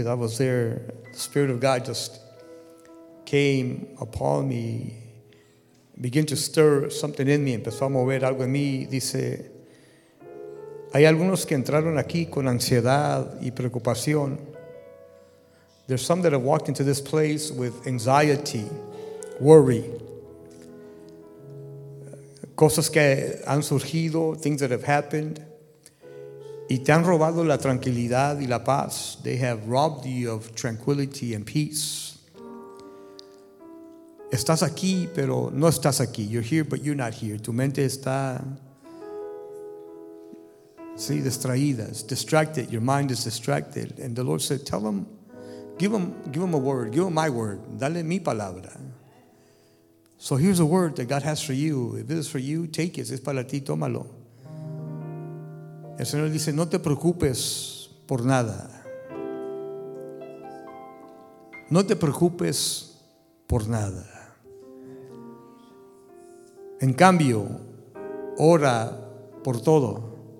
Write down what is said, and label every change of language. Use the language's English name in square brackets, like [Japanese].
[English] I was there. The Spirit of God just came upon me, began to stir something in me. [Spanish] Empezó a mover algo en mí. Dice, hay algunos que entraron aquí con ansiedad y preocupación. [English] There's some that have walked into this place with anxiety, worry. [Spanish] Cosas que han surgido, [English] things that have happened. [Spanish] Y te han robado la tranquilidad y la paz. [English] They have robbed you of tranquility and peace. [Spanish] Estás aquí, pero no estás aquí. [English] You're here, but you're not here. [Spanish] Tu mente está, sí, distraída. [English] It's distracted. Your mind is distracted. And the Lord said, tell them, give them a word. Give them my word. [Spanish] Dale mi palabra. [English] So here's a word that God has for you. If it is for you, take it. [Spanish] Es para ti, tómalo. El Señor dice, no te preocupes por nada. No te preocupes por nada. En cambio, ora por todo.